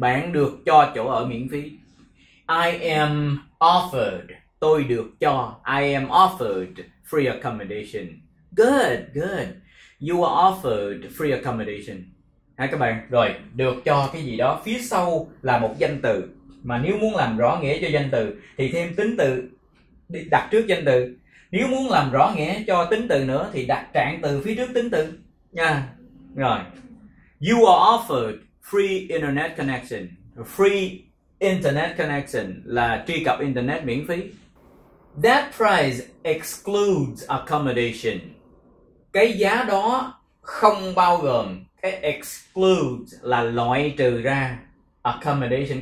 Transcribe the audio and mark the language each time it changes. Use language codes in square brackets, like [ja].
[vi] Bạn được cho chỗ ở miễn phí. [en] I am offered. [vi] Tôi được cho. [en] I am offered free accommodation. Good. You are offered free accommodation. [vi] Hả các bạn? Rồi, được cho cái gì đó. Phía sau là một danh từ. Mà nếu muốn làm rõ nghĩa cho danh từ thì thêm tính từ đặt trước danh từ. Nếu muốn làm rõ nghĩa cho tính từ nữa thì đặt trạng từ phía trước tính từ. Nha. Rồi. [en] You are offered free internet connection. Free internet connection [vi] là truy cập internet miễn phí. [en] That price excludes accommodation. [vi] Cái giá đó không bao gồm. Cái excludes là loại trừ ra accommodation.